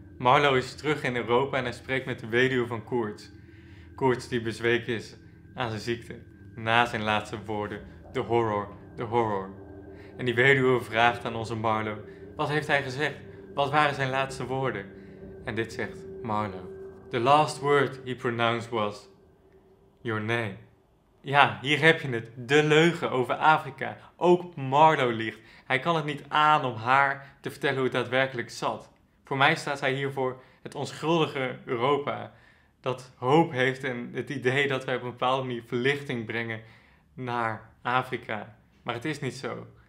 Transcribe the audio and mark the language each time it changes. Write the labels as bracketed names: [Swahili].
[Dutch] Marlowe is terug in Europa en hij spreekt met de weduwe van Kurt. Kurt die bezweken is aan zijn ziekte. Na zijn laatste woorden, de horror, de horror. En die weduwe vraagt aan onze Marlowe, wat heeft hij gezegd? Wat waren zijn laatste woorden? En dit zegt Marlowe. [English] The last word he pronounced was your name. [Dutch] Ja, hier heb je het. De leugen over Afrika. Ook Marlowe liegt. Hij kan het niet aan om haar te vertellen hoe het daadwerkelijk zat. Voor mij staat zij hier voor het onschuldige Europa. Dat hoop heeft en het idee dat wij op een bepaalde manier verlichting brengen naar Afrika. Maar het is niet zo.